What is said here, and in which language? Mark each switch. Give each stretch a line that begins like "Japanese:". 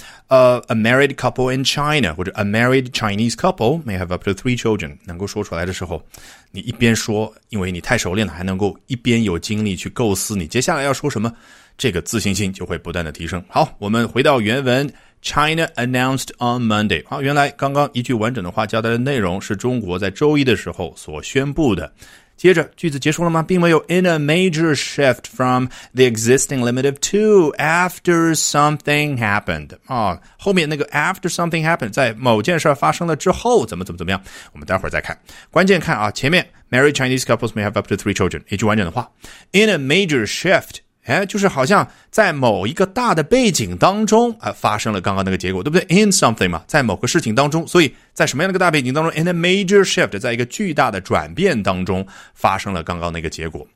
English: A married couple in China, 或者 a married Chinese couple may have up to three children,
Chinese: 能够说出来的时候，你一边说，因为你太熟练了，还能够一边有精力去构思你接下来要说什么，这个自信心就会不断的提升。好，我们回到原文，
English: China announced on Monday,
Chinese: 好，原来刚刚一句完整的话交代的内容是中国在周一的时候所宣布的。接着句子结束了吗？并没有。
English: In a major shift from the existing limit of two after something happened、
Chinese: 啊、后面那个 after something happened 在某件事发生了之后怎么怎么怎么样，我们待会儿再看。关键看啊，前面
English: Married Chinese couples may have up to three children
Chinese: 一句完整的话， In a major shift、哎、就是好像在某一个大的背景当中、啊、发生了刚刚那个结果，对不对？ In something 嘛，在某个事情当中，所以在什么样的一个大背景当中， in a major shift, 在一个巨大的转变当中发生了刚刚那个结果。